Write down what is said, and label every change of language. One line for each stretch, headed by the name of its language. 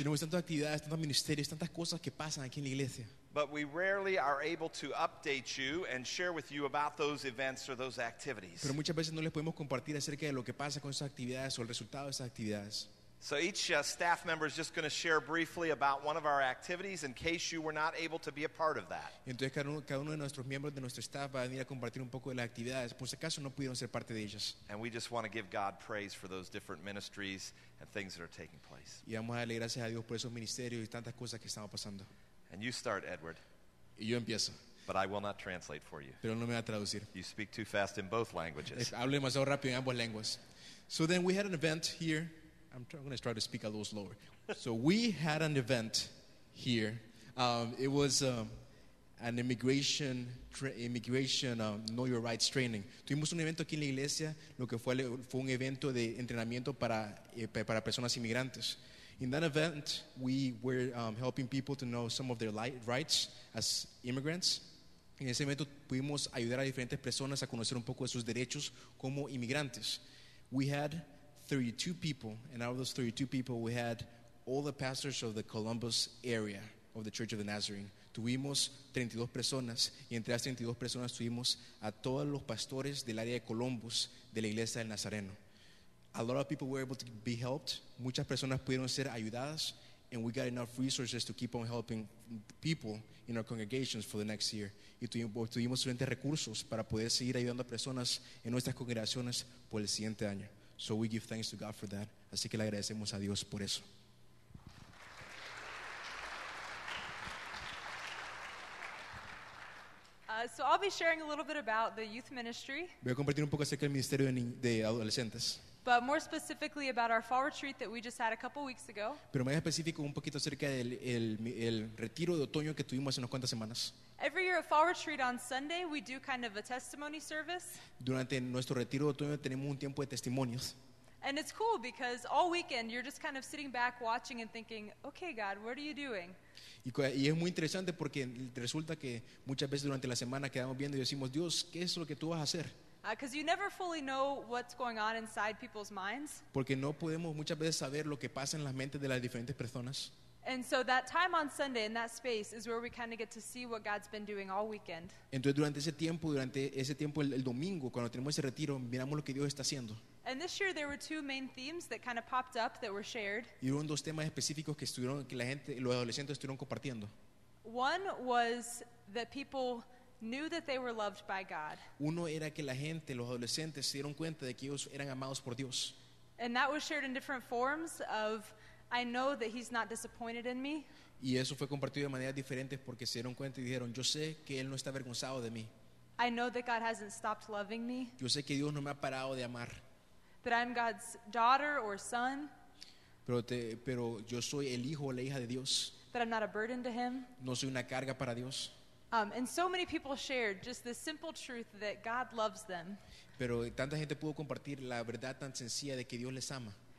English: But we rarely are able to update you and share with you about those events or those activities.
Spanish: Pero muchas veces no les podemos compartir acerca de lo que pasa con esas actividades o el resultado de esas actividades.
English: So each staff member is just going to share briefly about one of our activities in case you were not able to be a part of that.
Spanish: Entonces cada uno de nuestros miembros de nuestro staff va a venir a compartir un poco de las actividades por si acaso no pudieron ser parte de ellas.
English: And we just want to give God praise for those different ministries and things that are taking place.
Spanish: Y vamos a darle gracias a Dios por esos ministerios y tantas cosas que están pasando.
English: And you start, Edward.
Spanish: Y yo empiezo.
English: But I will not translate for you.
Spanish: Pero no me va a traducir.
English: You speak too fast in both languages.
Spanish: Hablo demasiado rápido en ambas lenguas.
English: So then we had an event here. I'm going to try to speak a little slower. So we had an event here. It was an immigration Know Your Rights training.
Spanish: Tuvimos un evento aquí en la iglesia, lo que fue un evento de entrenamiento para personas inmigrantes.
English: In that event, we were helping people to know some of their rights as immigrants.
Spanish: En ese evento pudimos ayudar a diferentes personas a conocer un poco de sus derechos como inmigrantes.
English: We had 32 people, and out of those 32 people, we had all the pastors of the Columbus area of the Church of the Nazarene.
Spanish: Tuvimos 32 personas, y entre las 32 personas tuvimos a todos los pastores del área de Columbus de la Iglesia del Nazareno.
English: A lot of people were able to be helped.
Spanish: Muchas personas pudieron ser ayudadas,
English: and we got enough resources to keep on helping people in our congregations for the next year.
Spanish: Y tuvimos suficientes recursos para poder seguir ayudando a personas en nuestras congregaciones por el siguiente año.
English: So we give thanks to God for that.
Spanish: Así que le agradecemos a Dios por eso.
English: So I'll be sharing a little bit about the youth ministry.
Spanish: Voy a compartir un poco acerca del ministerio de adolescentes.
English: But more specifically about our fall retreat that we just had a couple weeks ago.
Spanish: Pero más específico un poquito acerca del el retiro de otoño que tuvimos hace unas cuantas semanas.
English: Every year at fall retreat on Sunday, we do kind of a testimony service.
Spanish: Durante nuestro retiro de otoño tenemos un tiempo de testimonios.
English: And it's cool because all weekend you're just kind of sitting back watching and thinking, okay, God, what are you doing?
Spanish: Y es muy interesante porque resulta que muchas veces durante la semana quedamos viendo y decimos, Dios, ¿qué es lo que tú vas a hacer?
English: Because you never fully know what's going on inside people's minds.
Spanish: Porque no podemos muchas veces saber lo que pasa en las mentes de las diferentes personas.
English: And so that time on Sunday in that space is where we kind of get to see what God's been doing all weekend.
Spanish: Entonces durante ese tiempo el domingo cuando tenemos ese retiro miramos lo que Dios está haciendo.
English: And this year there were two main themes that kind of popped up that were shared.
Spanish: Y hubo dos temas específicos que los adolescentes estuvieron compartiendo.
English: One was that people knew that they were loved by God.
Spanish: Uno era que la gente, los adolescentes, se dieron cuenta de que ellos eran amados por Dios.
English: And that was shared in different forms of, I know that He's not disappointed in me.
Spanish: Y eso fue compartido de maneras diferentes porque se dieron cuenta y dijeron, yo sé que Él no está avergonzado de mí.
English: I know that God hasn't stopped loving me.
Spanish: Yo sé que Dios no me ha parado de amar.
English: That I'm God's daughter or son.
Spanish: Pero yo soy el hijo o la hija de Dios.
English: That I'm not a burden to Him.
Spanish: No soy una carga para Dios.
English: And so many people shared just the simple truth that God loves them.
Spanish: Pero tanta gente pudo compartir la verdad tan sencilla de que Dios les ama.